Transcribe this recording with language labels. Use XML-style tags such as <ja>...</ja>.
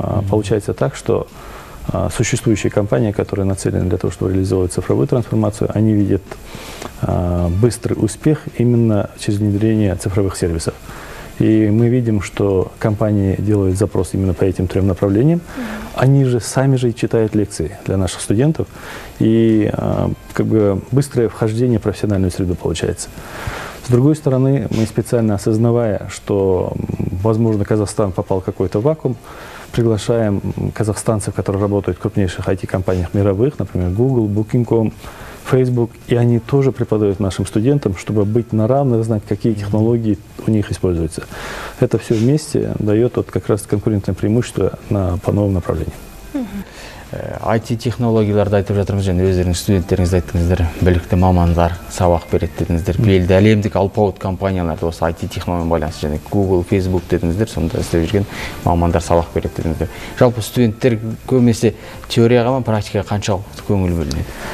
<ru>Получается так, что существующие компании, которые нацелены для того, чтобы реализовывать цифровую трансформацию, они видят быстрый успех именно через внедрение цифровых сервисов. И мы видим, что компании делают запрос именно по этим трем направлениям. Они же сами же и читают лекции для наших студентов. И как бы быстрое вхождение в профессиональную среду получается. С другой стороны, мы специально осознавая, что, возможно, Казахстан попал в какой-то вакуум, приглашаем казахстанцев, которые работают в крупнейших IT-компаниях мировых, например, Google, Booking.com, Facebook, и они тоже преподают нашим студентам, чтобы быть на равных, знать, какие технологии у них используются. Это все вместе дает вот как раз конкурентное преимущество по новым направлениям.</ru> <kk>IT-технологияларды айтып жатырмыз және өздеріңіз студенттеріңізді айттыңыздар білікті мамандар сабақ береді дедіңіздер белді әлемдік алпауыт компанияларды осы IT-технологияларға байланысты және Google, Facebook дедіңіздер сонда істеп жүрген мамандар сабақ береді дедіңіздер жалпы студенттер көбінесе теорияға ма практикаға қаншалықты көңіл бөлінеді</kk>